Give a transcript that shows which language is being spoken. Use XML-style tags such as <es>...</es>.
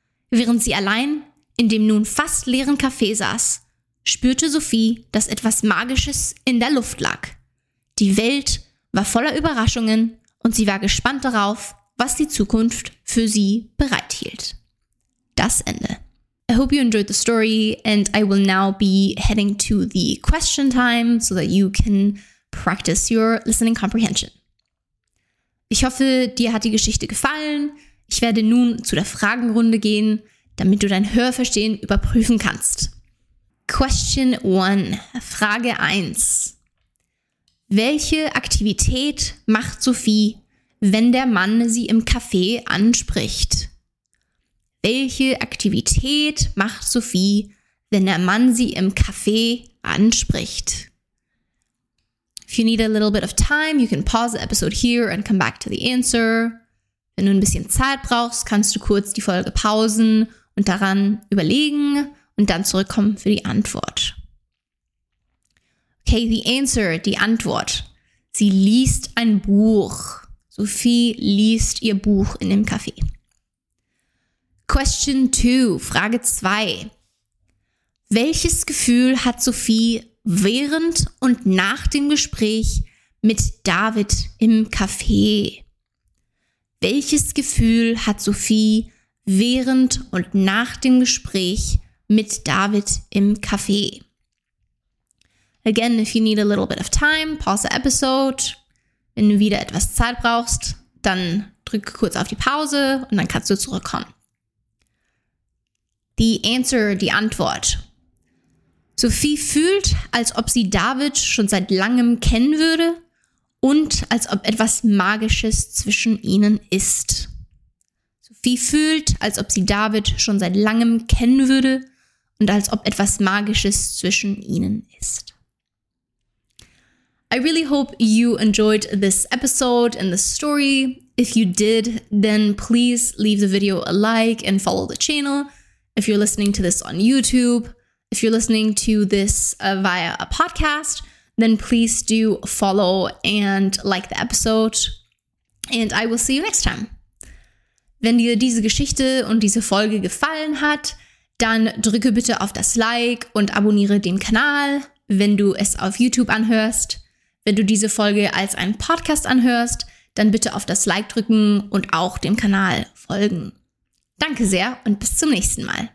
<de>Während sie allein in dem nun fast leeren Café saß, spürte Sophie, dass etwas Magisches in der Luft lag. Die Welt war voller Überraschungen und sie war gespannt darauf, was die Zukunft für sie bereithielt. Das Ende.</de> <en>I hope you enjoyed the story and I will now be heading to the question time so that you can practice your listening comprehension.</en> <de>Ich hoffe, dir hat die Geschichte gefallen. Ich werde nun zu der Fragenrunde gehen, damit du dein Hörverstehen überprüfen kannst.</de> <en>Question 1.</en> <de>Frage 1. Welche Aktivität macht Sophie, wenn der Mann sie im Café anspricht? Welche Aktivität macht Sophie, wenn der Mann sie im Café anspricht?</de> <en>If you need a little bit of time, you can pause the episode here and come back to the answer.</en> <de>Wenn du ein bisschen Zeit brauchst, kannst du kurz die Folge pausen und daran überlegen und dann zurückkommen für die Antwort.</de> <en>Okay, the answer,</en> <de>die Antwort. Sie liest ein Buch. Sophie liest ihr Buch in dem Café.</de> <en>Question 2,</en> <de>Frage 2. Welches Gefühl hat Sophie während und nach dem Gespräch mit David im Café? Welches Gefühl hat Sophie während und nach dem Gespräch mit David im Café?</de> <en>Again, if you need a little bit of time, pause the episode.</en> <de>Wenn du wieder etwas Zeit brauchst, dann drück kurz auf die Pause und dann kannst du zurückkommen.</de> <en>The answer,</en> <de>die Antwort. Sophie fühlt, als ob sie David schon seit langem kennen würde und als ob etwas Magisches zwischen ihnen ist. Sophie fühlt, als ob sie David schon seit langem kennen würde und als ob etwas Magisches zwischen ihnen ist.</de> <en>I really hope you enjoyed this episode and the story. If you did, then please leave the video a like and follow the channel. If you're listening to this on YouTube, if you're listening to this via a podcast, then please do follow and like the episode. And I will see you next time.</en> <de>Wenn dir diese Geschichte und diese Folge gefallen hat, dann drücke bitte auf das Like und abonniere den Kanal, wenn du es auf YouTube anhörst. Wenn du diese Folge als einen Podcast anhörst, dann bitte auf das Like drücken und auch dem Kanal folgen. Danke sehr und bis zum nächsten Mal.</de>